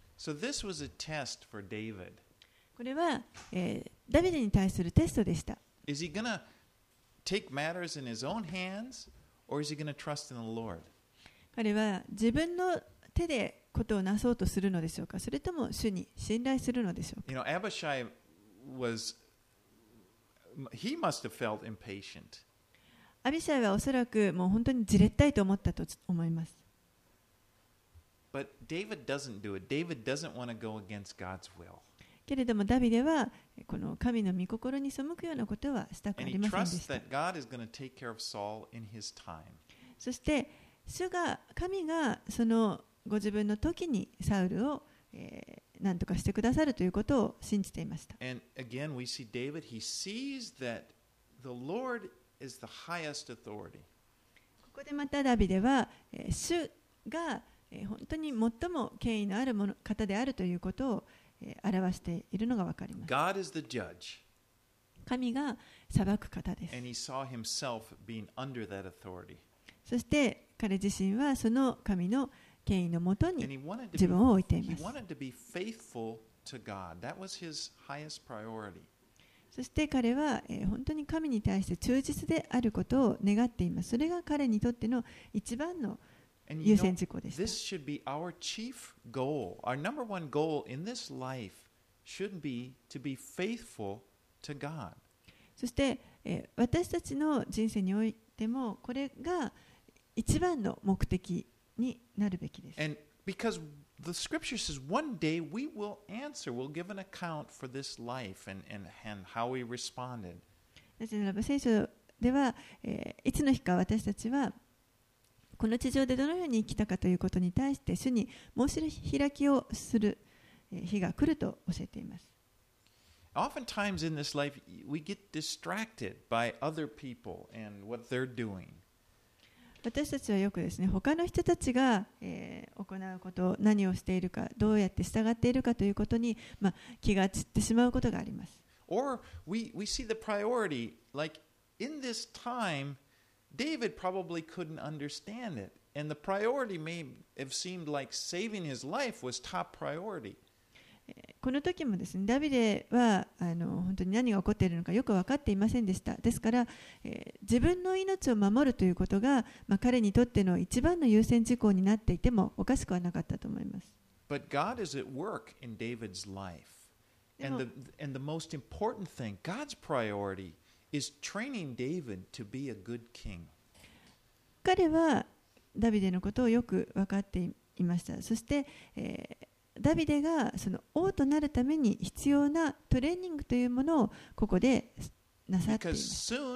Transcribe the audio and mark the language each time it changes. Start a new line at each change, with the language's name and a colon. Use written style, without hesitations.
English: So this was a test for David.
Japanese: これは、ダビデに対するテストでした。
English: Is he gonna take matters in his own hands, or is he gonna trust in the Lord?
Japanese: 彼は自分の手でことをなそうとするのでしょうか、それとも主に信頼するのでしょうか。
English: You know, Abishai was, he must have felt impatient.
Japanese: アビシャイはおそらくもう本当にじれったいと思ったと思います。
English: But David doesn't do it. David doesn't want to go against God's will.
Japanese: けれどもダビデはこの神の御心に背くようなことはしたくありませんでした。
English: And he trusts that God is going to take care of Saul in his time.
Japanese: そして主が神がそのご自分の時にサウルを何とかしてくださるということを信じていました。
English: And again, we see David. He sees that the Lord. Is the highest authority.
Japanese: ここでまたダビデは、主が、本当に最も権威のあるもの方であるということを、表しているのがわかります。
English: God is the judge.
Japanese: 神が裁く方です。
English: And he saw himself being under that authority.
Japanese: そして彼自身はその神の権威のもとに自分を置いています。
English: He wanted to be faithful to God. That was his highest priority.
Japanese: そして彼は本当に神に対して忠実であることを願っています。それが彼にとっての一番の優先事項でした。
English: This should be our chief goal. Our number one goal in this life should be to be faithful to God.
Japanese: そして私たちの人生においてもこれが一番の目的になるべきです。
English: And because The scripture says one day we will answer, we'll give an account for this life and how we responded.
Japanese: なぜならば聖書では、いつの日か私たちはこの地上でどのように生きたかということに対して主に申し開きをする日が来ると教えています。
English: Oftentimes in this life we get distracted by other people and what they're doing.
Japanese: 私たちはよくですね、他の人たちが、行うこと、何をしているか、どうやって従っているかということに、まあ、気が散ってしまうことがあります。
English: Or we see the priority, like in this time, David probably couldn't understand it. And the priority may have seemed like saving his life was top priority.
Japanese: この時もですね、ダビデは本当に何が起こっているのかよく分かっていませんでした。ですから、自分の命を守るということが、まあ、彼にとっての一番の優先事項になっていてもおかしくはなかったと思います。
English: But God is at work in David's life. And the most important thing, God's priority is training David to be a good king.
Japanese: 彼はダビデのことをよく分かっていました。そして、ダビデがその王となるために必要なトレーニングというものをここでなさっています。